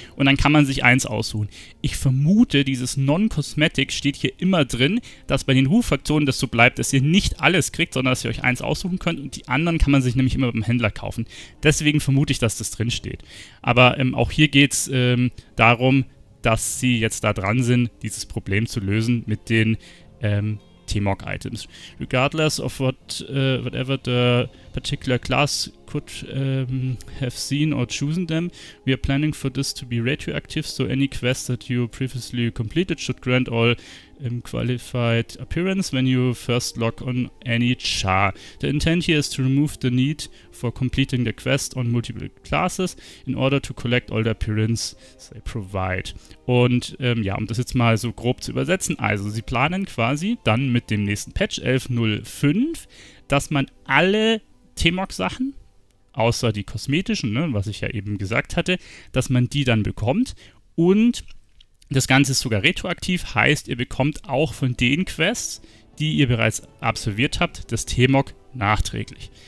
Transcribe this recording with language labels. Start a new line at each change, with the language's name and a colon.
German: Und dann kann man sich eins aussuchen. Ich vermute, dieses Non-Cosmetic steht hier immer drin, dass bei den Ruffraktionen das so bleibt, dass ihr nicht alles kriegt, sondern dass ihr euch eins aussuchen könnt. Und die anderen kann man sich nämlich immer beim Händler kaufen. Deswegen vermute ich, dass das drin steht. Aber auch hier geht es darum, dass sie jetzt da dran sind, dieses Problem zu lösen mit den T-Mog-Items.
English: Regardless of what, whatever the particular class could have seen or chosen them, we are planning for this to be retroactive, so any quest that you previously completed should grant all qualified appearance when you first lock on any char. The intent here is to remove the need for completing the quest on multiple classes in order to collect all the appearance they provide.
German: Und ja, um das jetzt mal so grob zu übersetzen, also sie planen quasi dann mit dem nächsten Patch 11.05, dass man alle T-Mog-Sachen, außer die kosmetischen, ne, was ich ja eben gesagt hatte, dass man die dann bekommt und das Ganze ist sogar retroaktiv, heißt, ihr bekommt auch von den Quests, die ihr bereits absolviert habt, das T-Mog nachträglich.